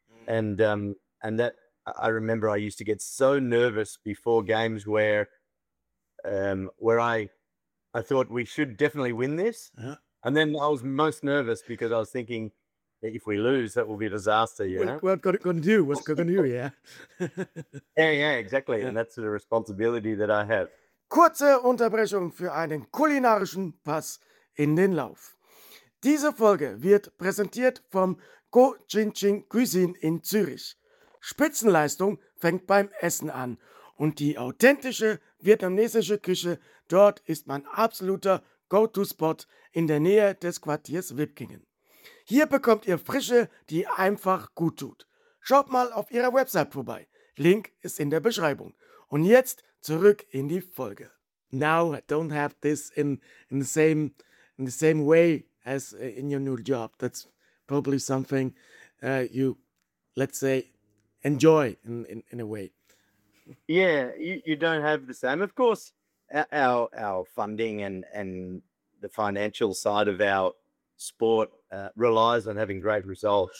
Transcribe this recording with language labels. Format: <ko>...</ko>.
<en>And that, I remember I used to get so nervous before games where I thought we should definitely win this. Yeah. And then I was most nervous because I was thinking, if we lose, that will be a disaster. What's it going to do? Exactly. Yeah. And that's the responsibility that I have.</en> <de>Kurze Unterbrechung für einen kulinarischen Pass in den Lauf. Diese Folge wird präsentiert vom Go Chin Chin Cuisine in Zürich. Spitzenleistung fängt beim Essen an und die authentische vietnamesische Küche, dort ist mein absoluter Go-To-Spot in der Nähe des Quartiers Wipkingen. Hier bekommt ihr Frische, die einfach gut tut. Schaut mal auf ihrer Website vorbei, Link ist in der Beschreibung. Und jetzt zurück in die Folge.</de> <en>Now I don't have this in the same way as in your new job. That's probably something you, let's say, enjoy in a way. Yeah, you don't have the same. Of course, our funding and the financial side of our sport relies on having great results.</en>